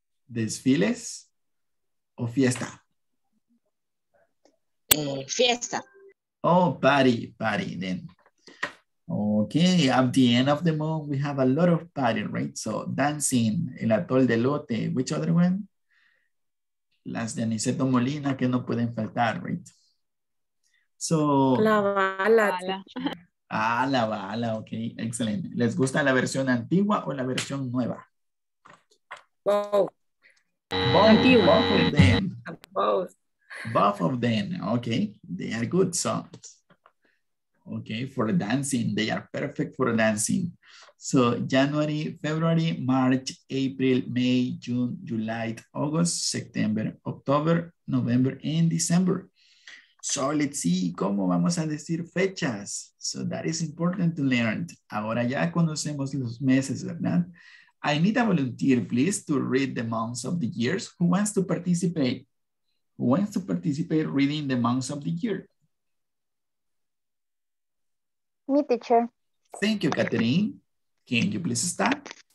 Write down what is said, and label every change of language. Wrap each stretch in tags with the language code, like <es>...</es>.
<es>Desfiles o fiesta? Fiesta.</es> <en>Oh, party then. Okay, at the end of the month, we have a lot of party, right? So, dancing, el atol de elote, which other one?</en> <es>Las de Aniceto Molina, que no pueden faltar, right?</es> <en>So.</en> <es>La bala.</es> <en>Ah, la bala, okay, excellent.</en> <es>¿Les gusta la versión antigua o la versión nueva?</es> <en>Both.</en> <es>Antigua.</es> <en>Both. Both of them, okay, they are good songs. Okay, for dancing, they are perfect for dancing. So January, February, March, April, May, June, July, August, September, October, November, and December. So let's see,</en> <es>¿cómo vamos a decir fechas?</es> <en>So that is important to learn.</en> <es>Ahora ya conocemos los meses, ¿verdad?</es> <en>I need a volunteer, please, to read the months of the years. Who wants to participate? Who wants to participate reading the months of the year? Me, teacher. Thank you, Catherine. Can you please start?</en>